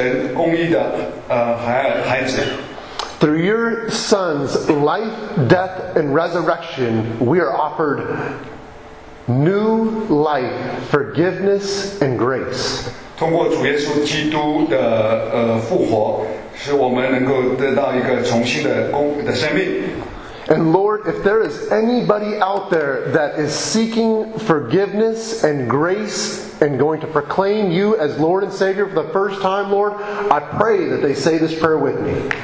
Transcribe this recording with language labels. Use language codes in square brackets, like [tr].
[zh] 感谢你给我们这个盼望，使我们不再做罪人，能够变为神公义的孩子。 [en] Through your Son's life, death, and resurrection, we are offered new life, forgiveness, and grace. [zh] 通过主耶稣基督的复活，使我们能够得到一个重新的生命。 [en] And Lord, if there is anybody out there that is seeking forgiveness and grace and going to proclaim you as Lord and Savior for the first time, Lord, I pray that they say this prayer with me.